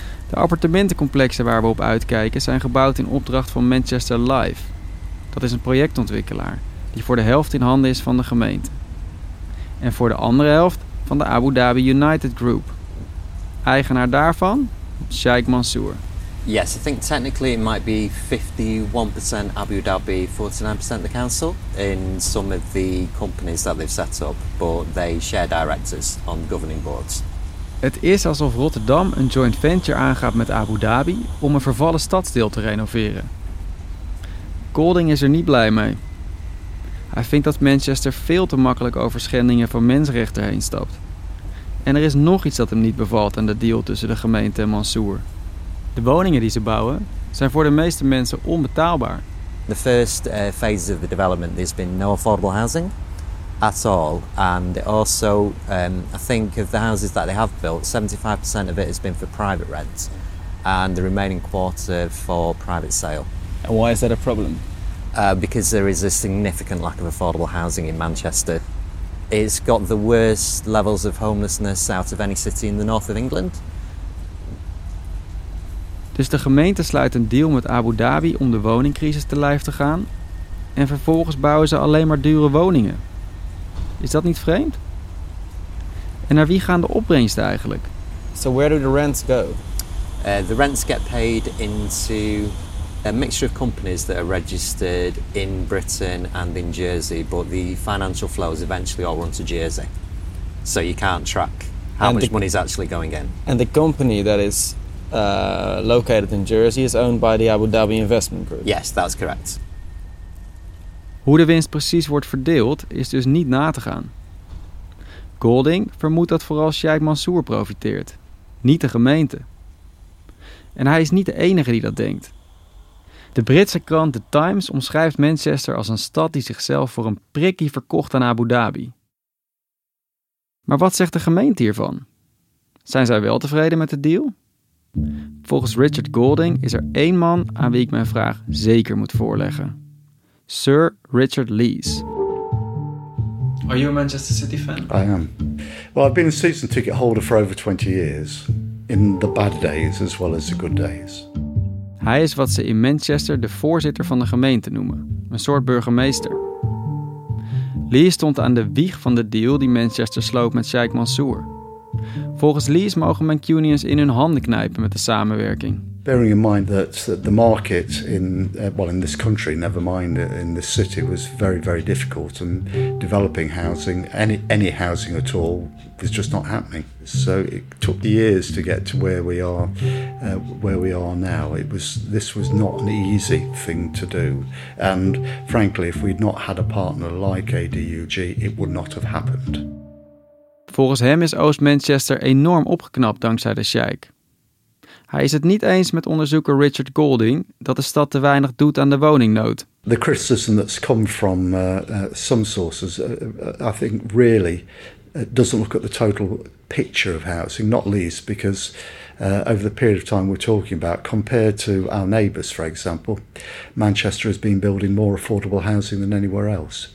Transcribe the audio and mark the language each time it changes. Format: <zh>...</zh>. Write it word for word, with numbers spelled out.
<nl>De appartementencomplexen waar we op uitkijken zijn gebouwd in opdracht van Manchester Live. Dat is een projectontwikkelaar die voor de helft in handen is van de gemeente. En voor de andere helft van de Abu Dhabi United Group. Eigenaar daarvan? Sheikh Mansour.</nl> <en>Yes, I think technically it might be fifty-one percent Abu Dhabi, forty-nine percent the council in some of the companies that they've set up, but they share directors on governing boards.</en> <nl>Het is alsof Rotterdam een joint venture aangaat met Abu Dhabi om een vervallen stadsdeel te renoveren. Golding is er niet blij mee. Hij vindt dat Manchester veel te makkelijk over schendingen van mensenrechten heen stapt. En er is nog iets dat hem niet bevalt aan de deal tussen de gemeente en Mansour. De woningen die ze bouwen zijn voor de meeste mensen onbetaalbaar.</nl> <en>The first uh, phase of the development there's been no affordable housing at all, and also um, I think of the houses that they have built, seventy-five percent of it has been for private rent, and the remaining quarter for private sale. And why is that a problem? Uh, because there is a significant lack of affordable housing in Manchester. It's got the worst levels of homelessness out of any city in the north of England.</en> <nl>Dus de gemeente sluit een deal met Abu Dhabi om de woningcrisis te lijf te gaan en vervolgens bouwen ze alleen maar dure woningen. Is dat niet vreemd? En naar wie gaan de opbrengsten eigenlijk?</nl> <en>So where do the rents go? Uh, the rents get paid into a mixture of companies that are registered in Britain and in Jersey, but the financial flows eventually all run to Jersey. So you can't track how and much the, money is actually going in. And the company that is Uh, located in Jersey is owned by the Abu Dhabi Investment Group. Yes, that's correct.</en> <nl>Hoe de winst precies wordt verdeeld is dus niet na te gaan. Golding vermoedt dat vooral Sheikh Mansour profiteert, niet de gemeente. En hij is niet de enige die dat denkt. De Britse krant The Times omschrijft Manchester als een stad die zichzelf voor een prikkie verkocht aan Abu Dhabi. Maar wat zegt de gemeente hiervan? Zijn zij wel tevreden met de deal? Volgens Richard Golding is er één man aan wie ik mijn vraag zeker moet voorleggen. Sir Richard Leese.</nl> <en>Are you a Manchester City fan? I am. Well, I've been a season ticket holder for over twenty years. In the bad days as well as the good days.</en> <nl>Hij is wat ze in Manchester de voorzitter van de gemeente noemen. Een soort burgemeester. Leese stond aan de wieg van de deal die Manchester sloot met Sheikh Mansour. Volgens Leese mogen Mancunians in hun handen knijpen met de samenwerking.</nl> <en>Bearing in mind that the market in well in this country, never mind in this city, was very very difficult, and developing housing, any any housing at all, was just not happening. So it took years to get to where we are, uh, where we are now. It was this was not an easy thing to do, and frankly, if we'd not had a partner like A D U G, it would not have happened.</en> <nl>Volgens hem is Oost-Manchester enorm opgeknapt dankzij de sheikh. Hij is het niet eens met onderzoeker Richard Golding dat de stad te weinig doet aan de woningnood.</nl> <en>The criticism that's come from uh, uh, some sources, uh, uh, I think, really uh, doesn't look at the total picture of housing, not least because uh, over the period of time we're talking about, compared to our neighbours, for example, Manchester has been building more affordable housing than anywhere else.</en>